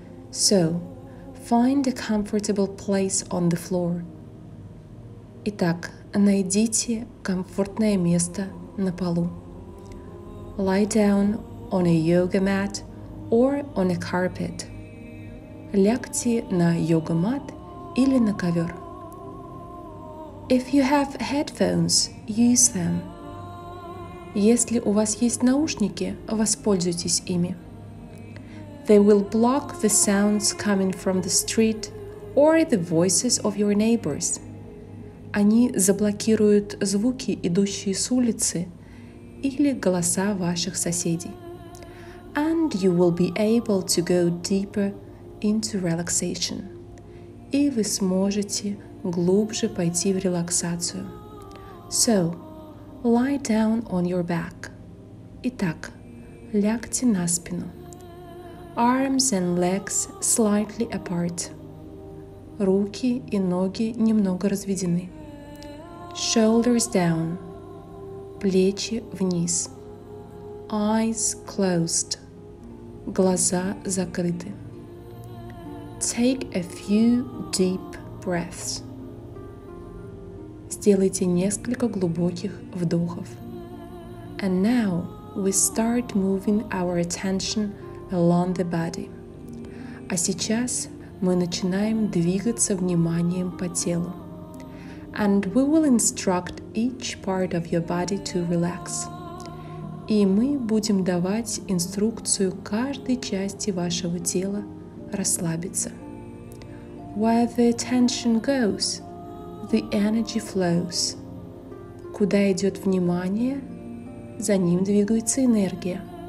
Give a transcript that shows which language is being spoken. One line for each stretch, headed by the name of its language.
English: So, find a comfortable place on the floor.
Russian: Итак, найдите комфортное место на полу.
English: Lie down on a yoga mat or on a carpet.
Russian: Лягте на йога мат или на ковер.
English: If you have headphones, use them.
Russian: Если у вас есть наушники, воспользуйтесь ими.
English: They will block the sounds coming from the street or the voices of your neighbors.
Russian: Они заблокируют звуки, идущие с улицы, или голоса ваших соседей.
English: And you will be able to go deeper into relaxation.
Russian: И вы сможете глубже пойти в релаксацию.
English: So, lie down on your back.
Russian: Итак, лягте на спину.
English: Arms and legs slightly apart.
Russian: Руки и ноги немного разведены.
English: Shoulders down.
Russian: Плечи вниз.
English: Eyes closed.
Russian: Глаза закрыты.
English: Take a few deep breaths.
Russian: Сделайте несколько глубоких вдохов.
English: And now we start moving our attention along the body.
Russian: А сейчас мы начинаем двигаться вниманием по телу.
English: And we will instruct each part of your body to relax.
Russian: И мы будем давать инструкцию каждой части вашего тела расслабиться.
English: Where the attention goes, the energy flows.
Russian: Куда идет внимание, за ним двигается энергия.